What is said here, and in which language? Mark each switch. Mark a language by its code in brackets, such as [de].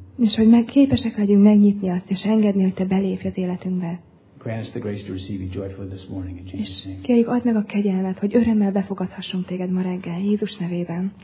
[hu] És hogy meg képesek legyünk megnyitni azt és engedni, hogy te belépj az életünkbe. [en] Grant us the grace to receive you joyfully this morning in Jesus' name. [hu] És kérjük, add meg a kegyelmet, hogy örömmel befogadhassunk téged ma reggel Jézus nevében.